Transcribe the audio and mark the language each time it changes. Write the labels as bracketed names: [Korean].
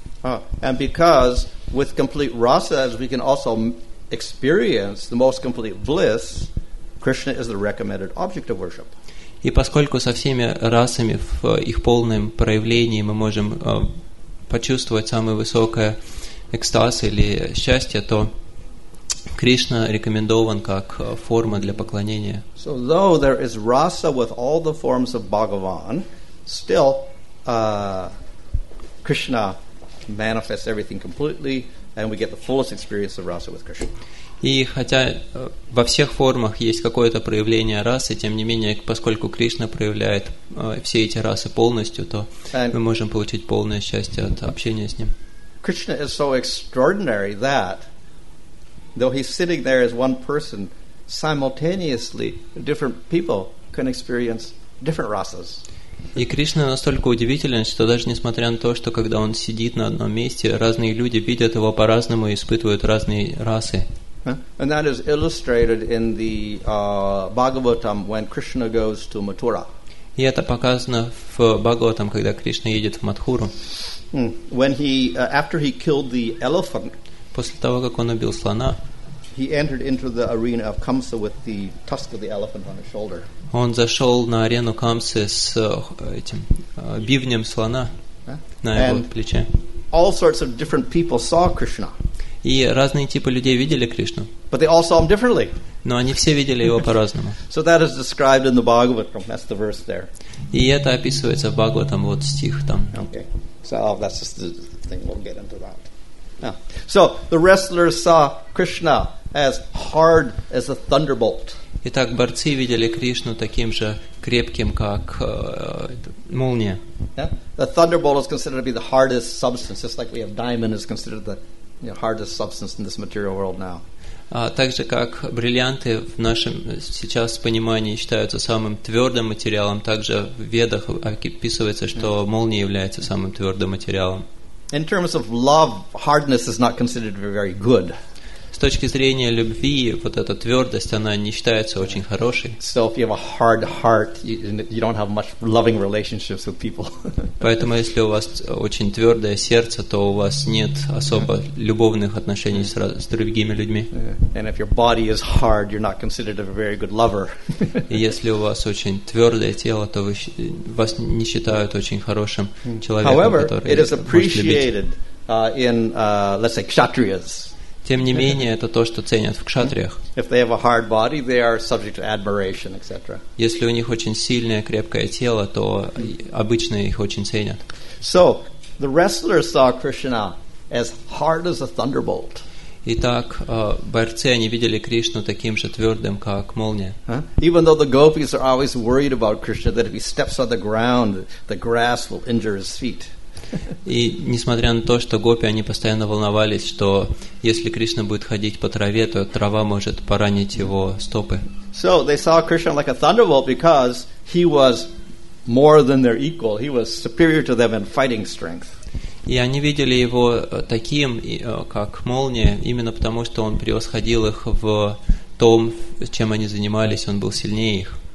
[English] And because with complete rasas we can also experience the most complete bliss, Krishna is the recommended object of worship. [Russian] И поскольку со всеми расами в их полном проявлении мы можем почувствовать самый высокий экстаз или счастье, то Кришна рекомендован как форма для поклонения. [English] So though there is rasa with all the forms of Bhagavan, still Krishna manifests everything completely and we get the fullest experience of rasa with Krishna. [Russian] И хотя во всех формах есть какое-то проявление расы, тем не менее, поскольку Кришна проявляет все эти расы полностью, то and мы можем получить полное счастье от общения с Ним. [English] Krishna is so extraordinary that though he's sitting there as one person, simultaneously different people can experience different rasas. [Russian] И Кришна настолько удивителен, что даже несмотря на то, что когда он сидит на одном месте, разные люди видят его по-разному и испытывают разные расы. [English] And that is illustrated in the Bhagavatam when Krishna goes to Mathura. [Russian] И это показано в Бхагаватам, когда Кришна едет в Матхуру. [English] When he after he killed the elephant, [Russian] после того как он убил слона, [English] he entered into the arena of Kamsa with the tusk of the elephant on his shoulder. [Russian] Он зашел на арену Камсы с этим бивнем слона на его плече. [English] All sorts of different people saw Krishna. [Russian] И разные типы людей видели Кришну. [English] But they all saw him differently. [Russian] Но они все видели его по-разному. [English] So that is described in the Bhagavatam. That's the verse there. [Russian] И это описывается в Бхагаватам, вот стих там. [English] Okay. So that's just the thing. We'll get into that. Yeah. So the wrestlers saw Krishna as hard as a thunderbolt. [Russian] Итак, борцы видели Кришну таким же крепким, как молния. [English] Yeah. The thunderbolt is considered to be the hardest substance, just like we have diamond is considered the hardest substance in this material world now. [Russian] Также как бриллианты в нашем сейчас понимании считаются самым твердым материалом, также в Ведах описывается, что молния является самым твердым материалом. [English] In terms of love, hardness is not considered very good. [Russian] С точки зрения любви, вот эта твердость, она не считается очень хорошей. [English] So if you have a hard heart, you don't have much loving relationships with people. [Russian] Поэтому если у вас очень твердое сердце, то у вас нет особо любовных отношений с другими людьми. [English] And if your body is hard, you're not considered a very good lover. [Russian] И если у вас очень твердое тело, то вас не считают очень хорошим человеком, [English] however, [Russian] который [English] it is appreciated in, let's say, kshatriyas. [Russian] Тем не менее, это то, что ценят в кшатриях. [English] If they have a hard body, they are subject to admiration, etc. [Russian] Если у них очень сильное, крепкое тело, то обычно их очень ценят. [English] So, the wrestlers saw Krishna as hard as a thunderbolt. [Russian] Итак, борцы, они видели Кришну таким же твердым, как молния. [English] Even though the gopis are always worried about Krishna, that if he steps on the grass will injure his feet. [Russian] И несмотря на то, что гопи, они постоянно волновались, что если Кришна будет ходить по траве, то трава может поранить его стопы. [English] So they saw Krishna like a thunderbolt because he was more than their equal. He was superior to them in fighting strength. [Russian] И они видели его таким, как молния, именно потому, что он превосходил их в том, чем они занимались, он был сильнее их.